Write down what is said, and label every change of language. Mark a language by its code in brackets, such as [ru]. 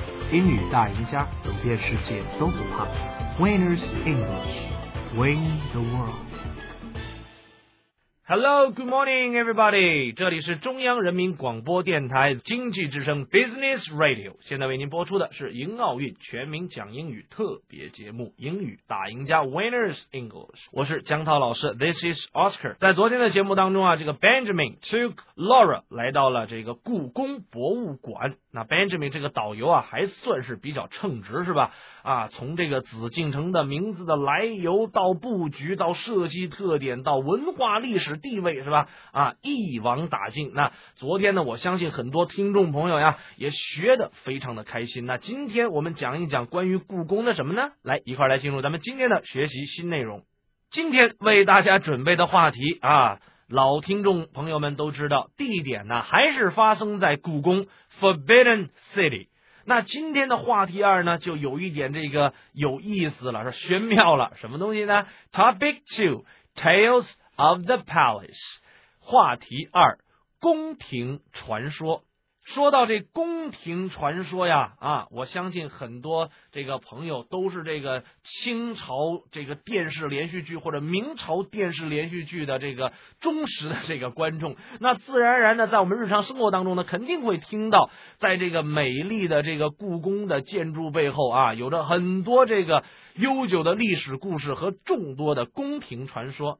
[zh] 英语大赢家，走遍世界都不怕。 [en] Winners English, win the world. Hello, good morning, everybody. [zh] 这里是中央人民广播电台经济之声 Business Radio. 现在为您播出的是迎奥运全民讲英语特别节目《英语大赢家》Winners English. 我是江涛老师 ， [en] This is Oscar. [zh] 在昨天的节目当中啊，这个 [en] Benjamin took Laura [zh] 来到了这个故宫博物馆。那 Benjamin 这个导游啊还算是比较称职是吧啊，从这个紫禁城的名字的来由到布局到设计特点到文化历史地位是吧啊，一网打尽。那昨天呢，我相信很多听众朋友呀也学得非常的开心。那今天我们讲一讲关于故宫的什么呢，来一块来进入咱们今天的学习新内容。今天为大家准备的话题啊，老听众朋友们都知道，地点呢还是发生在故宫 Forbidden City。那今天的话题二呢就有一点这个有意思了，是玄妙了。什么东西呢？ [en] Topic 2 Tales of the Palace， [zh] 话题二，宫廷传说。说到这宫廷传说呀啊，我相信很多这个朋友都是这个清朝这个电视连续剧或者明朝电视连续剧的这个忠实的这个观众。那自然而然的在我们日常生活当中呢，肯定会听到在这个美丽的这个故宫的建筑背后啊，有着很多这个悠久的历史故事和众多的宫廷传说。